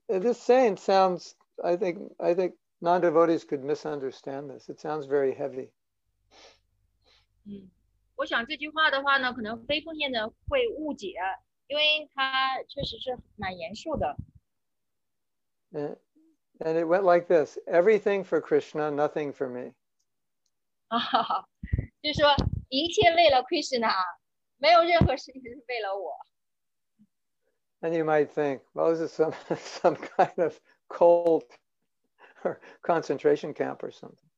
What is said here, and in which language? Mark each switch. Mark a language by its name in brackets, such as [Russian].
[English] this saying sounds, I think non-devotees could misunderstand this. It sounds very heavy. [Chinese] 我想这句话的话呢，可能非奉献的会误解，因为它确实是蛮严肃的。 [English] And it went like this: everything for Krishna, nothing for me. [Chinese] 就是说，一切为了Krishna，没有任何事情是为了我。 [English] And you might think, well, this is some kind of cult or concentration camp or something.